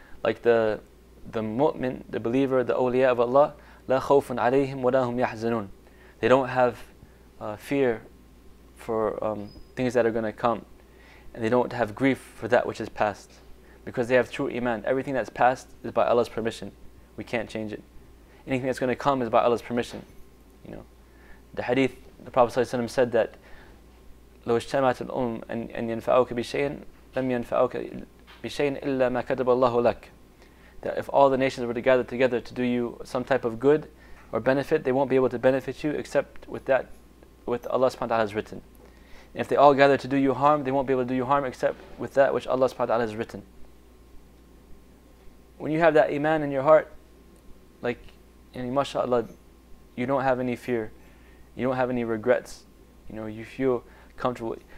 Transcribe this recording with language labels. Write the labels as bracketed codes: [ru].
[en] Like the mu'min, the believer, the awliya of Allah, [ar] لا خوف عليهم ولا هم يحزنون. [en] They don't have fear for things that are going to come. And they don't have grief for that which is past. Because they have true iman. Everything that's past is by Allah's permission. We can't change it. Anything that's going to come is by Allah's permission. You know, the hadith, the Prophet ﷺ said that [ar] لو اجتمعت الأم أن ينفعوك بشيء لم ينفعوك بشيء إلا ما كتب الله لك. [en] That if all the nations were to gather together to do you some type of good or benefit, they won't be able to benefit you except with that, with Allah subhanahu wa ta'ala has written. And if they all gather to do you harm, they won't be able to do you harm except with that which Allah subhanahu wa ta'ala has written. When you have that iman in your heart, like, and mashallah, you don't have any fear, you don't have any regrets, you know, you feel comfortable.